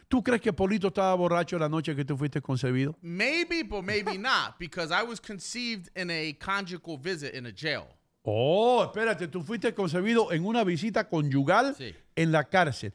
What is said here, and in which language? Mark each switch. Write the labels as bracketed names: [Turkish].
[Spanish] ¿Tú crees que Polito estaba borracho la noche que tú fuiste concebido? [English] Maybe, but maybe not, because I was conceived in a conjugal visit in a jail. [Spanish] Oh, espérate, tú fuiste concebido en una visita conyugal en la cárcel.